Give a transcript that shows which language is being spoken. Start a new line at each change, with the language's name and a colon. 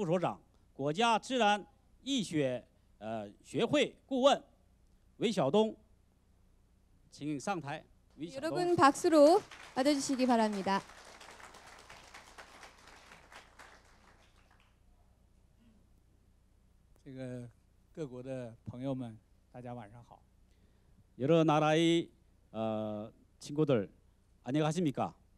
Chinese: 首先呢，中国国家空中营养改善办公室主任，中国大健康产业联盟主席，中国国家发展改革委员会经济研究所副所长，国家自然 医学学会顾问韦晓东，请上台。
Korean: 여러분 박수로 받아주시기 바랍니다.
Chinese: 这个各国的朋友们，大家晚上好。
Korean: 여러 나라의 친구들 안녕하십니까?